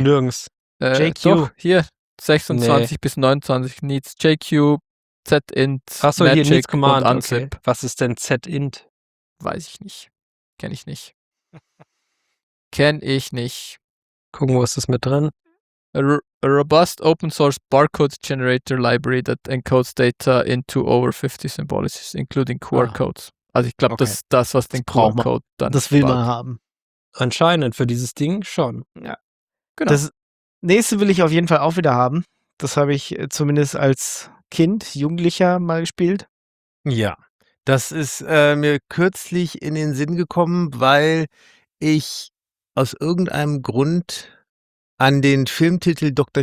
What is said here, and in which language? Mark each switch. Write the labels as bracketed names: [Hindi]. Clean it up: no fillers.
[German] Nirgends. JQ. Doch, hier 26 bis 29 needs JQ, Zint, so, Magic hier needs Command, und unzip. Okay. Was ist denn Zint? Weiß ich nicht. Kenn ich nicht. Kenn ich nicht. Gucken, wo ist das mit drin? [English] A robust open-source barcode generator library that encodes data into over 50 symbolics, including QR codes. [German] Also ich glaube, das ist das, was den QR code dann. Das will man haben. Anscheinend für dieses Ding schon. Ja, genau. Das nächste will ich auf jeden Fall auch wieder haben. Das habe ich zumindest als Kind, Jugendlicher mal gespielt. Ja, das ist mir kürzlich in den Sinn gekommen, weil ich aus irgendeinem Grund an den Filmtitel Dr.